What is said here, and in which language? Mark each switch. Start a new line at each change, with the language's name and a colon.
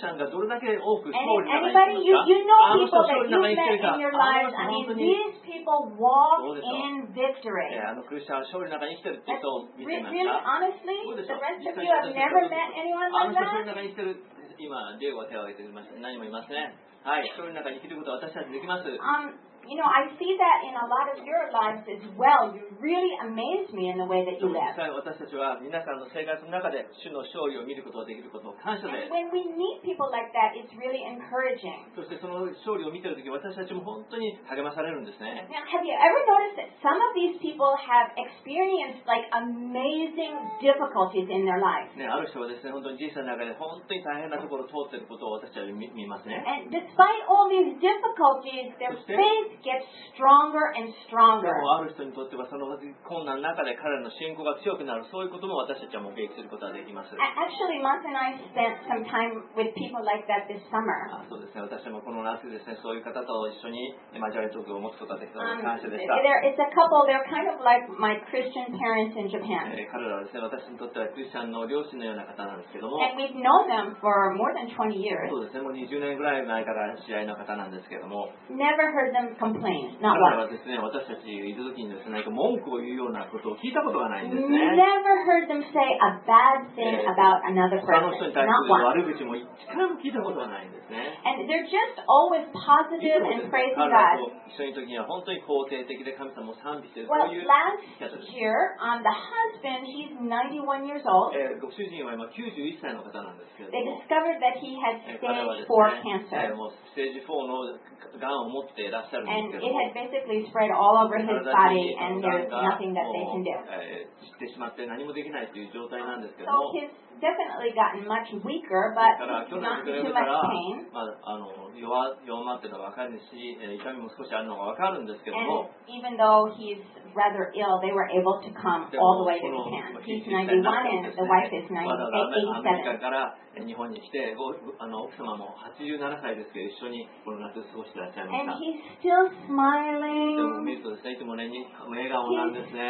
English: Anybody, you know people that you've met in your lives. I mean, these people walk in victory. Really, honestly, the rest of you have never met anyone like that?
Japanese: 今、デイは手を挙げています。何もいますね。はい、そういう中に生きることは私たちできます。
English: You know, I see that in a lot of your lives as well. You really amazed me in the way that you left.
Japanese: 私たちは皆さんの生活の中で主の勝利を見ることができることを感謝です。
English: And when we meet people like that, it's really encouraging.
Japanese: そしてその勝利を見ているとき、私たちも本当に励まされるんですね。
English: Now, have you ever noticed that some of these people have experienced like amazing difficulties in their life?
Japanese: ね、ある人はですね、本当に人生の中で本当に大変なところを通っていることを私たちは 見ますね。
English: And despite all these difficulties, their faithGets stronger and stronger.
Japanese: でもある人にとってはその困難の中で彼の信仰が強くなる、そういうことも私たちは目撃することができます。
English: Actually, Mark and I spent some time with people like that this summer.
Japanese: そうですね、私もこの夏ですね、そういう方と一緒に交わり時を持つことができたので感謝でした。
English: It's a couple, they're kind of like my Christian parents in Japan.
Japanese: 彼らはですね、私にとってはクリスチャンの両親のような方なんですけども、
English: And we've known them for more than 20 years.
Japanese: そうですね、もう20年ぐらい前から知り合いの方なんですけども、
English: Never heard themNever heard them say a bad thing about another person. Not one. And they're just always positive and praising God.
Japanese: 一緒の時には本当に肯定的で神様を賛美している。
English: Well, last year, the husband, he's 91 years old.
Japanese: ご主人は今91歳の方なんですけど。
English: They discovered that he had stage 4 cancer.
Japanese: もうステージ4のがんを持っていらっしゃる。
English: And it had basically spread all over his body, and there's nothing that they can do.
Japanese: 知ってしまって何もできないという状態なんですけども
English: 。So he's definitely gotten much weaker, but not too much pain.
Japanese: まあ、弱まってたわかるし、痛みも少しあるのがわかるんですけども。
English: And even though he's rather ill, they were able to come all the way to Japan. He's 91, and the wife is 87.
Japanese: から日本に来て、奥様も87歳ですけど、一緒にこの夏過ごしてらっしゃいました。
English: And he's still smiling.
Japanese: でも見るとですね、いつもね、笑顔なんですね。